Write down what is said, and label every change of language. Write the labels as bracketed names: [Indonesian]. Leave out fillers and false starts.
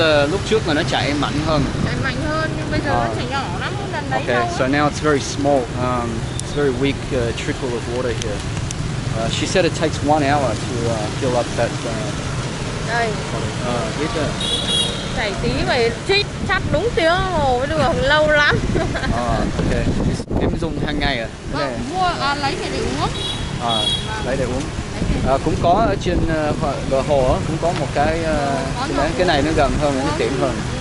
[Vietnamese] Lúc trước là nó chảy mạnh hơn. Chảy mạnh hơn nhưng bây giờ nó chảy nhỏ lắm, lần đấy. [English] Okay, so now it's very small. It's very weak trickle of water here. She said it takes 1 hour to fill up that. [Vietnamese] Đây. Biết chưa? Chảy tí vậy chích chắc đúng tiếng hồ mới được, lâu lắm. Okay. Em dùng hàng ngày à? Vâng, mua lấy thì để uống. Lấy để uống. Cũng có ở trên bờ hồ á, cũng có một cái cái này nó gần hơn, nó tiện hơn.